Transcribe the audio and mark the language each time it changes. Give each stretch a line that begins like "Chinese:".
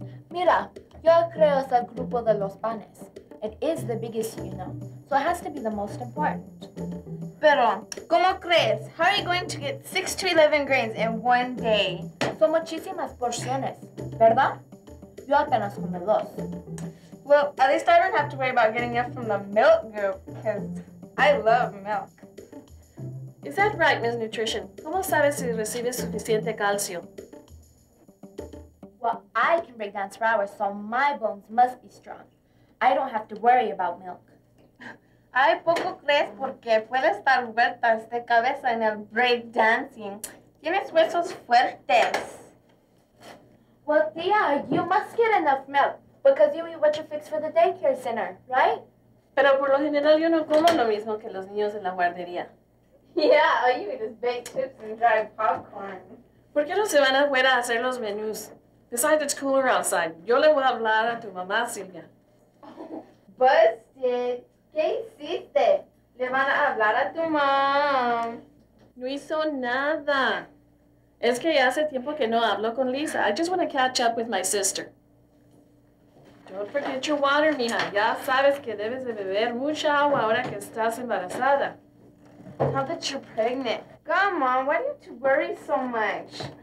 Spanish: Mira, yo creo es el grupo de los panes.
English: It is the biggest, you know, so it has to be the most important.
Spanish: Pero, ¿cómo crees?
English: How are you going to get 6 to 11 grains in one day?
Spanish: Son muchísimas porciones, ¿verdad? Yo apenas comí dos.
English: Well, at least I don't have to worry about getting it from the milk group, because I love milk. Is that right, Miss Nutrition?
Spanish: ¿Cómo sabes si recibes suficiente calcio?
English: Well, I can break dance for hours, so my bones must be strong. I don't have to worry about milk.
Spanish: Ay, poco crees porque puedes estar vueltas de cabeza en el break dancing. Tienes huesos fuertes.
English: Well, Tia, you must get enough milk because you eat what you fix for the daycare center, right?
Spanish: Pero por lo general yo no como lo mismo que los niños de la guardería.
English: Yeah, all you eat is baked chips and dried popcorn.
Spanish: ¿Por qué no se van afuera a hacer los menús?
English: Besides, it's cooler outside.
Spanish: Yo le voy a hablar a tu mamá, Silvia. Busted. ¿Qué hiciste? Le van a hablar a tu mom. No hizo nada. Es que ya hace tiempo que no hablo con Lisa.
English: I just want to catch up with my sister. Don't forget your water, mija.
Spanish: Ya sabes que debes de beber mucha agua ahora que estás embarazada.
English: Now that you're pregnant. Come on, why do you have to worry so much?